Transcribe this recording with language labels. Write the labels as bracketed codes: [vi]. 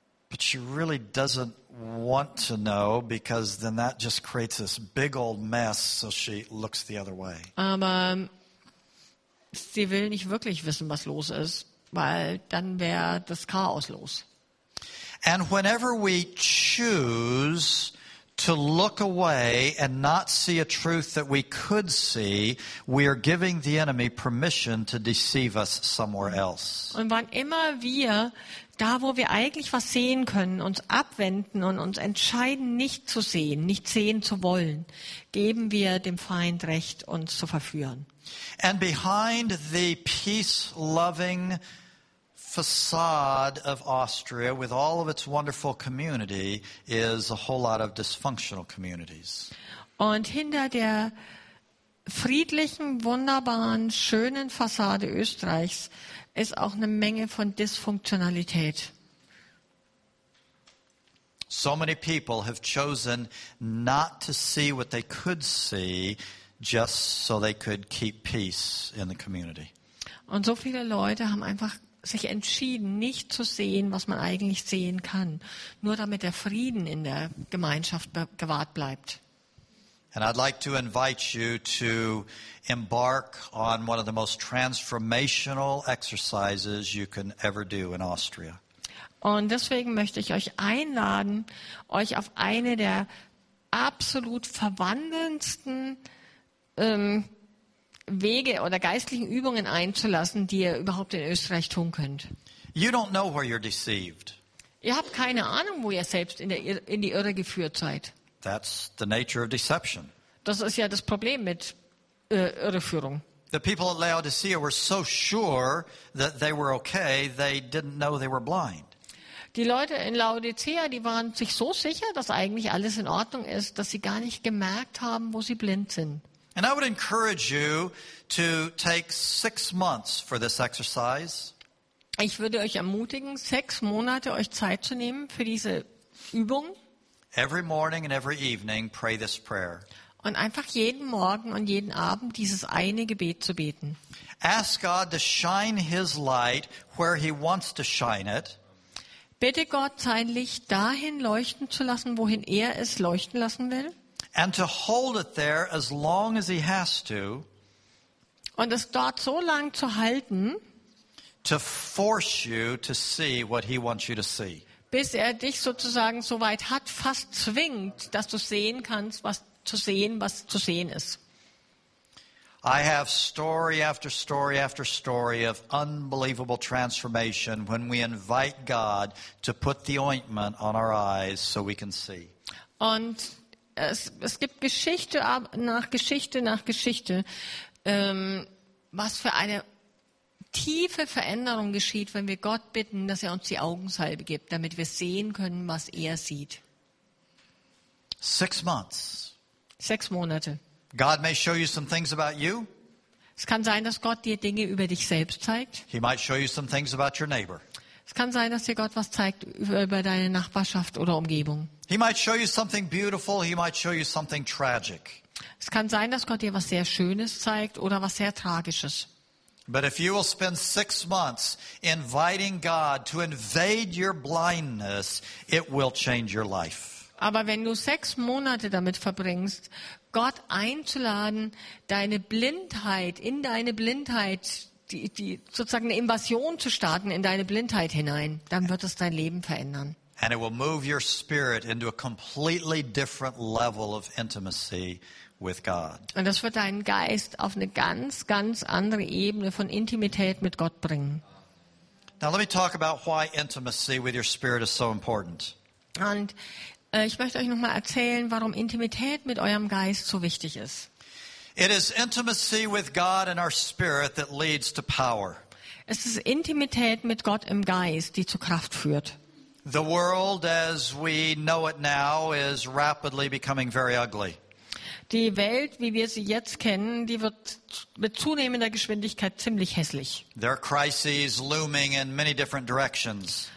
[en] But she really doesn't want to know, because then that just creates this big old mess, so she looks the other way. [de] Aber sie will nicht wirklich wissen, was los ist, weil dann wäre das Chaos los. [en] And whenever we choose to look away and not see a truth that we could see, we are giving the enemy permission to deceive us somewhere else. [de] Und wann immer wir da, wo wir eigentlich was sehen können, uns abwenden und uns entscheiden, nicht zu sehen, nicht sehen zu wollen, geben wir dem Feind Recht, uns zu verführen. [en] And behind the peace-loving facade of Austria with all of its wonderful community is a whole lot of dysfunctional communities. [de] Und hinter der friedlichen, wunderbaren, schönen Fassade Österreichs ist auch eine Menge von Dysfunktionalität. [en] So many people have chosen not to see what they could see just so they could keep peace in the community. [de] Und so viele Leute haben einfach sich entschieden, nicht zu sehen, was man eigentlich sehen kann, nur damit der Frieden in der Gemeinschaft gewahrt bleibt. [en] And I'd like to invite you to embark on one of the most transformational exercises you can ever do in Austria. [de] Und deswegen möchte ich euch einladen, euch auf eine der absolut verwandelndsten Wege oder geistlichen Übungen einzulassen, die ihr überhaupt in Österreich tun könnt. [en] You don't know where you're deceived. [de] Ihr habt keine Ahnung, wo ihr selbst in die Irre geführt seid. [en] That's the nature of deception. [de] Das ist ja das Problem mit Irreführung. [en] The people at Laodicea were so sure that they were okay, they didn't know they were blind. [de] Die Leute in Laodicea, die waren sich so sicher, dass eigentlich alles in Ordnung ist, dass sie gar nicht gemerkt haben, wo sie blind sind. [en] And I would encourage you to take 6 months for this exercise. [de] Ich würde euch ermutigen, 6 Monate euch Zeit zu nehmen für diese Übung. [en] Every morning and every evening, pray this prayer. [de] Und einfach jeden Morgen und jeden Abend dieses eine Gebet zu beten. [en] Ask God to shine his light where he wants to shine it. [de] Bitte Gott, sein Licht dahin leuchten zu lassen, wohin er es leuchten lassen will. [en] And to hold it there as long as he has to. [de] Und es dort so lang zu halten, [en] to force you to see what he wants you to see. [de] Bis er dich sozusagen so weit hat, fast zwingt, dass du sehen kannst, was zu sehen ist. [en] I have story after story after story of unbelievable transformation when we invite God to put the ointment on our eyes so we can see. [de] Und es gibt Geschichte nach Geschichte nach Geschichte, was für eine tiefe Veränderung geschieht, wenn wir Gott bitten, dass er uns die Augensalbe gibt, damit wir sehen können, was er sieht. [en] 6 months. [de] 6 Monate. [en] God may show you some things about you. [de] Es kann sein, dass Gott dir Dinge über dich selbst zeigt. [en] He might show you some things about your neighbor. [de] Es kann sein, dass dir Gott was zeigt über deine Nachbarschaft oder Umgebung. [en] He might show you something beautiful, he might show you something tragic. [de] Es kann sein, dass Gott dir was sehr Schönes zeigt oder was sehr Tragisches. [en] But if you will spend 6 months inviting God to invade your blindness, it will change your life. [de] Aber wenn du 6 Monate damit verbringst, Gott einzuladen, deine Blindheit, in deine Blindheit, die sozusagen eine Invasion zu starten, in deine Blindheit hinein, dann wird es dein Leben verändern. [en] And it will move your spirit into a completely different level of intimacy with God. [de] Und das wird deinen Geist auf eine ganz, ganz andere Ebene von Intimität mit Gott bringen. [en] Now let me talk about why intimacy with your spirit is so important. [de] Und ich möchte euch nochmal erzählen, warum Intimität mit eurem Geist so wichtig ist. [en] It is intimacy with God in our spirit that leads to power. [de] Es ist Intimität mit Gott im Geist, die zu Kraft führt. [en] The world as we know it now is rapidly becoming very ugly. [de] Die Welt, wie wir sie jetzt kennen, die wird mit zunehmender Geschwindigkeit ziemlich hässlich. [en] There are crises looming in many different directions.